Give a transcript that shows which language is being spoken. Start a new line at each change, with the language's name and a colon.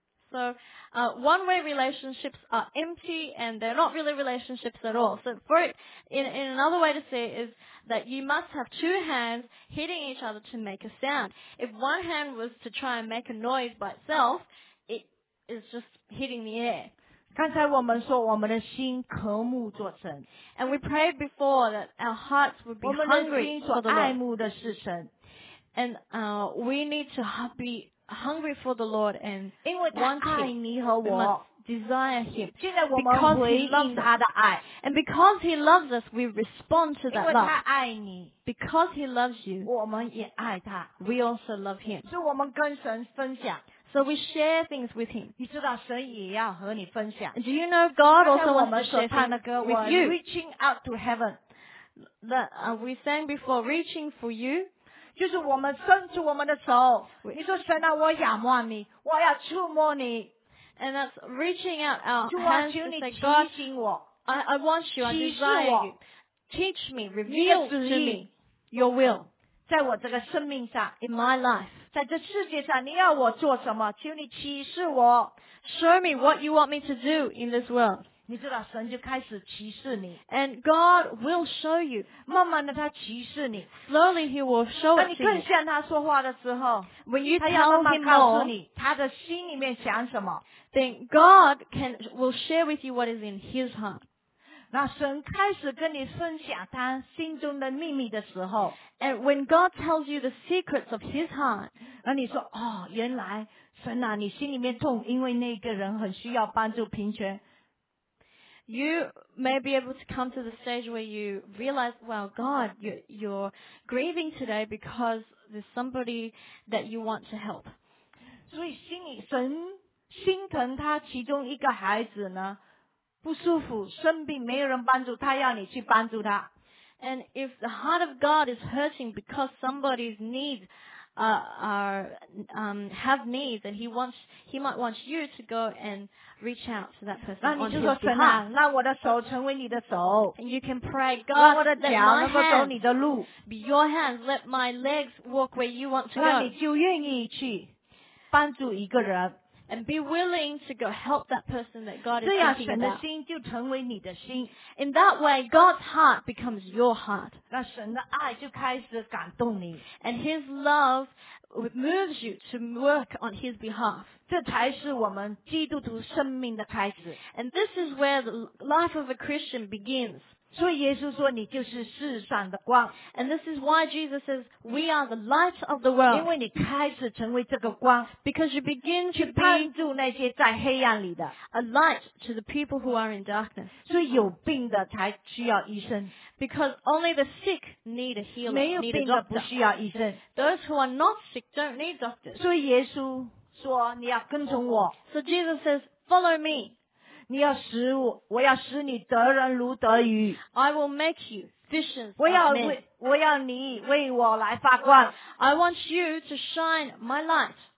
English: So, one way relationships are empty and they're not really relationships at all. So, for it, in another way to say it is that you must have two hands hitting each other to make a sound. If one hand was to try and make a noise by itself, it is just hitting the air.
Chinese: 刚才我们说我们的心渴慕做神
English: ，and we prayed before that our hearts would be hungry for the Lord.
Chinese: 我们的心所爱慕的是神
English: ，and we need to be hungry for the Lord and want him.
Chinese: 因为他爱你和我
English: ，desire him.
Chinese: 现在我们回应他的爱
English: ，and because he loves us, we respond to that love.
Chinese: 因为他爱你
English: ，because he loves you,
Chinese: 我们也爱他
English: ，we also love him.
Chinese: 所以我们跟神分享。
English: So we share things with him.
Chinese: 你知道神也要和你分享。
English: Do you know God also wants to share things with you?
Chinese: 刚才我们所唱的歌
English: ，We're reaching out to heaven. We sang before, reaching for you.
Chinese: 就是我们伸出我们的手。你说神啊，我仰望你，我要触摸你。
English: And that's reaching out our hands to say, God,
Chinese: 提醒我。
English: I want you, I desire you. Teach me, reveal to me your will.
Chinese: 在我这个生命上
English: ，in my life，
Chinese: 在这世界上，你要我做什么？求你启示我
English: ，show me what you want me to do in this world。
Chinese: 你知道，神就开始启示你
English: ，and God will show you。
Chinese: 慢慢的，他启示你
English: ，slowly he will show it to you。
Chinese: 当你更像他说话的时候
English: ，when you
Chinese: 他要慢慢告诉你他的心里面想什么
English: ，then God will share with you what is in his heart。
Chinese: 那神开始跟你分享他心中的秘密的时候
English: ，and when God tells you the secrets of His heart，
Chinese: 那你说哦，原来神啊，你心里面痛，因为那个人很需要帮助贫穷。
English: You may be able to come to the stage where you realize, well, God, you're grieving today because there's somebody that you want to help。
Chinese: 所以心里神心疼他其中一个孩子呢。不舒服，生病，没有人帮助他，要你去帮助他。
English: And if the heart of God is hurting because somebody's needs have needs, and he might want you to go and reach out to that person.
Chinese: 那你就说神啊，让我的手成为你的手。
English: And you can pray, God, let my hands,
Chinese: 能够走你的路。
English: Be your hands, let my legs walk where you want to go.
Chinese: 那你就愿意去帮助一个人。
English: And be willing to go help that person that God is
Chinese: 这样神的心就成为你的心。
English: In that way, God's heart becomes your heart.
Chinese: 那神的爱就开始感动你。
English: And His love moves you to work on His behalf.
Chinese: 这才是我们基督徒生命的开始。
English: And this is where the life of a Christian begins.
Chinese: 所以耶稣说你就是世上的光。
English: And this is why Jesus says, we are the light of the world.
Chinese: 因为你开始成为这个光。
English: Because you begin to be
Chinese: 去帮助那些在黑暗里的。
English: A light to the people who are in darkness.
Chinese: 所以有病的才需要医生。
English: Because only the sick need a healer, need a doctor.
Chinese: 没有病的不需要医生。
English: Those who are not sick don't need doctors.
Chinese: 所以耶稣说你要跟从我。
English: So Jesus says, follow me.
Chinese: 你要使我，我要使你得人如得鱼。
English: I will make you fishers.
Chinese: 我要你为我来发光。
English: I want you to shine my light.